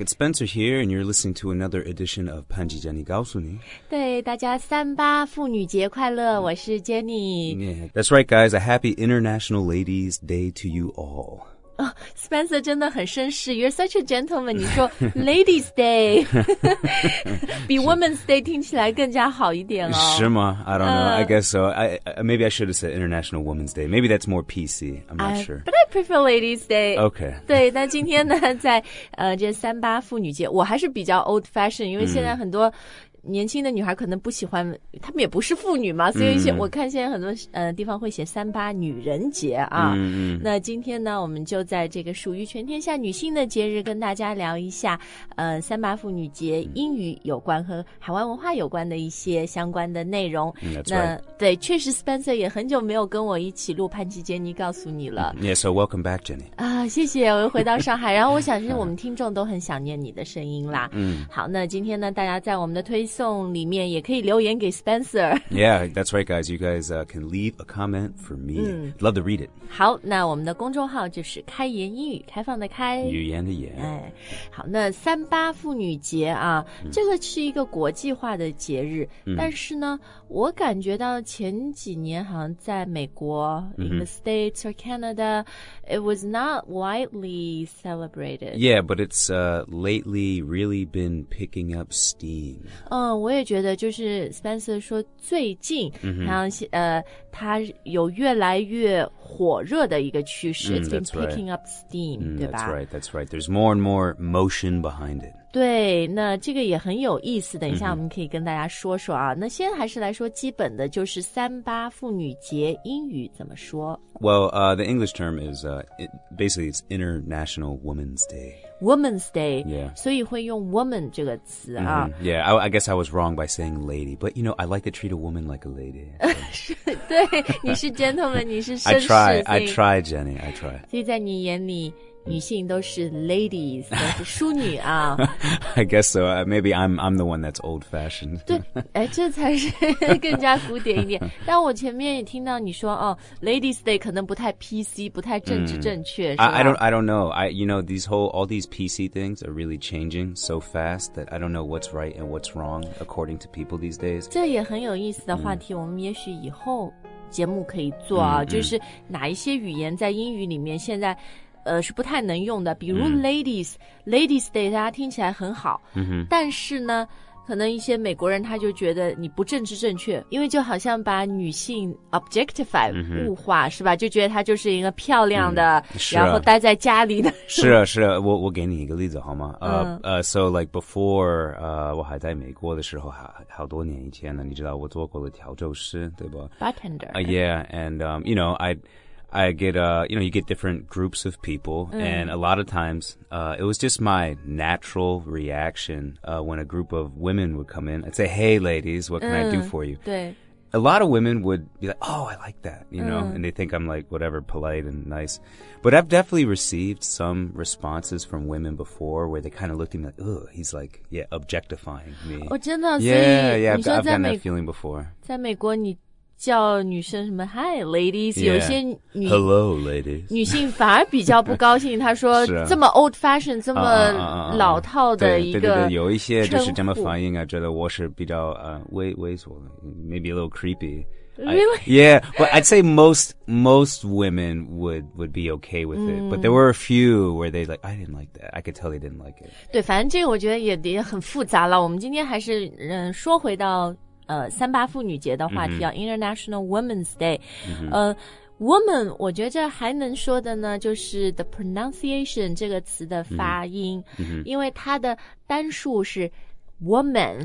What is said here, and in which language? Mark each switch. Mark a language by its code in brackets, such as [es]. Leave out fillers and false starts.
[en] It's Spencer here, and you're listening to another edition of 潘吉 Jenny 告诉你。 [zh] 对，大家三八妇女节快乐！我是 Jenny。 [en] Yeah, that's right, guys. A happy International Ladies' Day to you all. [zh] Oh, Spencer 真的很绅士。 [en] You're such a gentleman. [zh] 你说 Ladies' Day 比 Women's Day 听起来更加好一点了。是吗 [en] ？I don't know. I guess so. Maybe I should have said International Women's Day. Maybe that's more PC. I'm not sure. Prefer Ladies' Day. Okay. [zh] 对，那今天呢，在这三八妇女节，我还是比较 old fashion， 因为现在很多年轻的女孩可能不喜欢，她们也不是妇女嘛，所以我看现在很多地方会写三八女人节啊。那今天呢，我们就在这个属于全天下女性的节日，跟大家聊一下三八妇女节英语有关和海外文化有关的一些相关的内容。对，确实 Spencer 也很久没有跟我一起录潘吉杰尼告诉你了。 [en] Yeah, so welcome back, Jenny. [zh] 啊，谢谢，我又回到上海。然后我想，其实我们听众都很想念你的声音啦。好，那今天呢，大家在我们的推送里面也可以留言给 Spencer. [en] Yeah, that's right, guys. You guys can leave a comment for me. Love to read it. [zh] 好，那我们的公众号就是开言英语，开放的开，语言的言。哎，好，那三八妇女节啊，这个是一个国际化的节日，但是呢，我感觉到前几年好像在美国 [en] in the States or Canada, it was not widely celebrated. Yeah, but it's lately really been picking up steam. [zh] 我也觉得就是 Spencer 说最近、然后他有越来越火热的一个趋势、 [en] It's been picking up steam, [zh] 对吧 [en] That's right. There's more and more motion behind it. [zh] 对，那这个也很有意思，等一下我们可以跟大家说说啊。那先还是来说基本的，就是三八妇女节英语怎么说。 [en] Well, the English term is, basically it's International Women's Day. Woman's Day, yeah. [zh] 所以会用 woman 这个词啊。 [en] Yeah, I guess I was wrong by saying lady, but you know, I like to treat a woman like a lady. [zh] 对，你是 gentleman, 你是绅士。 [en] I try, Jenny, I try. [zh] 所以在你眼里，女性都是 ladies, 都是淑女啊。 [en] I guess so. Maybe I'm the one that's old-fashioned. [zh] 对，哎，这才是更加古典一点。但我前面也听到你说，哦 ，Ladies Day 可能不太 PC, 不太政治正确。 [en] I don't know. These PC things are really changing so fast that I don't know what's right and what's wrong according to people these days. [zh] 这也很有意思的话题，我们也许以后节目可以做啊。就是哪一些语言在英语里面现在。是不太能用的，比如 Ladies Day 大家听起来很好、但是呢可能一些美国人他就觉得你不政治正确，因为就好像把女性 objectify 物化、是吧，就觉得她就是一个漂亮的、然后待在家里的。是啊是啊，我给你一个例子好吗？ [en] So like before [zh] 我还在美国的时候，好多年以前呢，你知道我做过了调酒师对吧， [en] bartender、 yeah, and you know I get, you get different groups of people, and a lot of times, it was just my natural reaction, when a group of women would come in. I'd say, hey, ladies, what can I do for you? A lot of women would be like, oh, I like that, you know, and they think I'm like, whatever, polite and nice. But I've definitely received some responses from women before where they kind of looked at me like, ugh, he's like, yeah, objectifying me. Oh, [zh] 真的? [en] Yeah, I've gotten that feeling before. [zh] 在美国你叫女生什么 [en] Hi ladies、 [zh] 有些女 [en] Hello ladies [zh] 女性反而比较不高兴她说这么 old fashion 这么老套的一个称呼 对有一些就是这么反应啊，觉得我是比较猥琐 [en] maybe a little creepy yeah but I'd say most women would be okay with it but there were a few where they like I didn't like that I could tell they didn't like it [zh] 对反正这个我觉得也很复杂了我们今天还是说回到三八妇女节的话题叫 International Women's Day、Woman 我觉得这还能说的呢就是 [en] the pronunciation [zh] 这个词的发音、因为它的单数是 woman